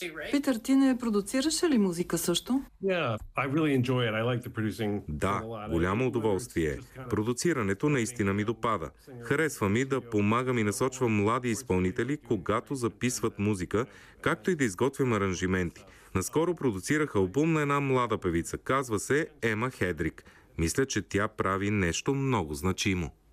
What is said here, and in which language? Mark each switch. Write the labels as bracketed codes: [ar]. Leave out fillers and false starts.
[bg] Питър, ти не продуцираш ли музика също? [en] Yeah, I really enjoy it. I like the producing. [bg] Да, голямо удоволствие. Продуцирането наистина ми допада. Харесва ми да помагам и насочвам млади изпълнители, когато записват музика, както и да изготвям аранжименти. Наскоро продуцирах албум на една млада певица. Казва се Ема Хедрик. Мисля, че тя прави нещо много значимо.